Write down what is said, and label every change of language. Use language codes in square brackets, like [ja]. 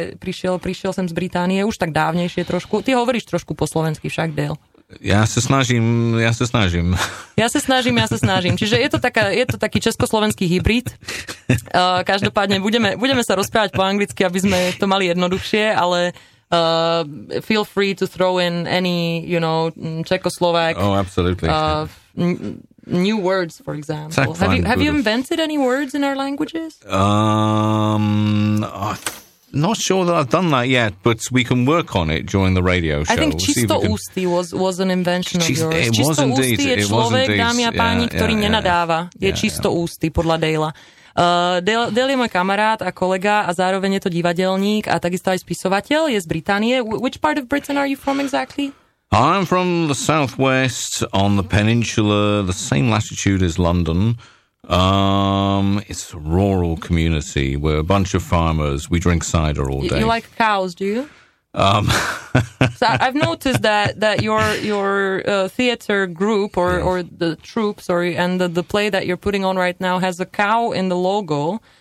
[sk] Prišiel sem z Británie, už tak dávnejšie trošku. Ty hovoríš trošku po slovensky však, Dale. Ja sa snažím. Ja sa snažím. Čiže je to taký československý hybrid. Každopádne budeme sa rozprávať po anglicky, aby sme to mali jednoduchšie, ale... [en] feel free to throw in any, you know, Czechoslovak. Oh, absolutely. New words, for example. [sk] Tak, [en] have you have you invented any words in our languages? I'm not sure that I've done that yet, but we can work on it during the radio show. I think čisto ústy was an invention of yours. It was indeed. [sk] Dámy a páni, ktorý nenadáva, je čisto ústy podľa Dale'a. Dale je môj kamarát a kolega a zároveň je to divadelník a takisto aj spisovateľ, je z Británie. [en] Which part of Britain are you from exactly? I'm from the southwest on the peninsula, the same latitude as London. It's a rural community. We're a bunch of farmers. We drink cider all day. You like cows, do you? So I've noticed that your theater group or the troupe, sorry, and the play that you're putting on right now has a cow in the logo.